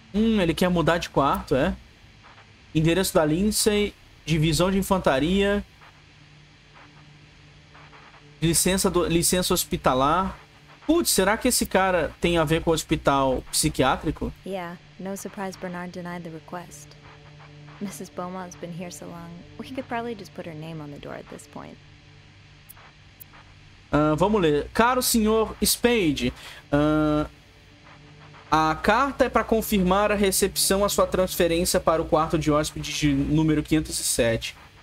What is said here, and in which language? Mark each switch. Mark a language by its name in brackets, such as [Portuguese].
[Portuguese] Ele quer mudar de quarto, é? Endereço da Lindsay, divisão de infantaria. Licença hospitalar. Putz, será que esse cara tem a ver com o hospital psiquiátrico? [English] Yeah, no surprise Bernard denied the request. Mrs. Beaumont's been here so long. We could probably just put her name on the door at this point. [Portuguese] Vamos ler. Caro senhor Spade, a carta é para confirmar a recepção à sua transferência para o quarto de hóspedes de número 507.